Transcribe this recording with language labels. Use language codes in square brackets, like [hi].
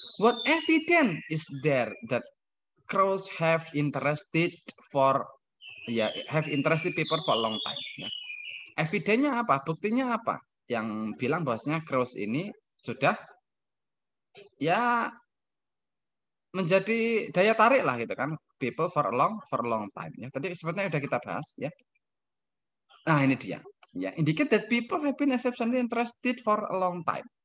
[en] What evidence is there that crows have interested for have interested people for a long time? [id] Yeah. Evidence-nya apa? Buktinya apa? Yang bilang bahwasanya crows ini sudah ya menjadi daya tarik lah gitu kan [en] people for a long time [id] ya. Yeah. Tadi sepertinya sudah kita bahas ya. Yeah. Nah, ini dia. [en] Ya, indicate that people have been exceptionally interested for a long time.